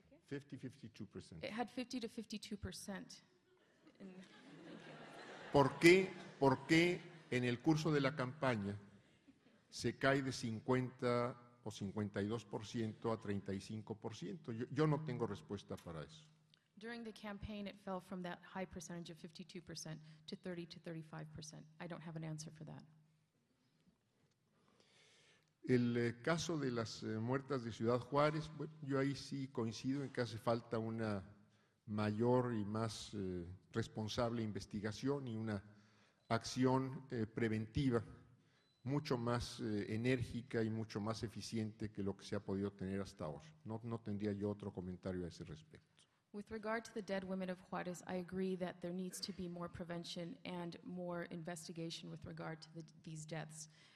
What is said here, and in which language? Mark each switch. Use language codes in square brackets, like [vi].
[en] 50-52%. It had 50-52%. [es] ¿Por qué en el curso de la campaña se cae de 50% or 52% a 35%. Yo no tengo respuesta para eso. [en] During the campaign, it fell from that high percentage of 52% to 30-35%. I don't have an answer for that. [es] El caso de las muertas de Ciudad Juárez, bueno, yo ahí sí coincido en que hace falta una mayor y más responsable investigación y una acción preventiva mucho más enérgica y mucho más eficiente que lo que se ha podido tener hasta ahora. No tendría yo otro comentario a ese respecto. [en] With regard to the dead women of Juárez, I agree that there needs to be more prevention and more investigation with regard to these deaths.